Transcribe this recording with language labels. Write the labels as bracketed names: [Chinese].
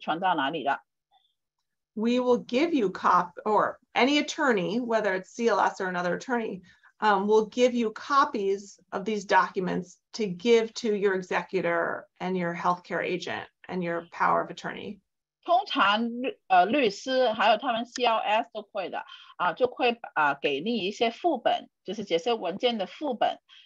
[Chinese] 你要跟你的执行人啊，就是代理人啊，还有这些人，就是说你的文件是存到哪里的。We [English] will give you copy, or any attorney, whether it's CLS or another attorney, will give you copies of these documents to give to your executor and your healthcare agent and your power of attorney. [Chinese] 通常律师还有他们 CLS 都会的，就会给你一些副本，就是这些文件的副本。